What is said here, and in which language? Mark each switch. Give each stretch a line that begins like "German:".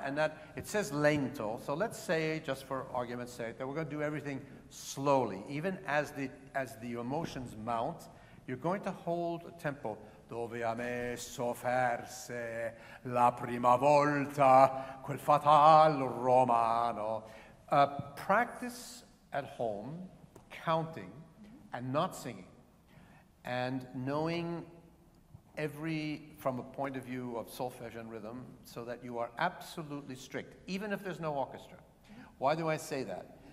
English: And that, it says lento, so let's say, just for argument's sake, that we're going to do everything slowly. Even as the emotions mount, you're going to hold a tempo.
Italian: Dove a me sofferse la prima volta quel fatal romano.
English: Practice at home counting and not singing and knowing every from a point of view of solfège and rhythm, so that you are absolutely strict, even if there's no orchestra. Why do I say that?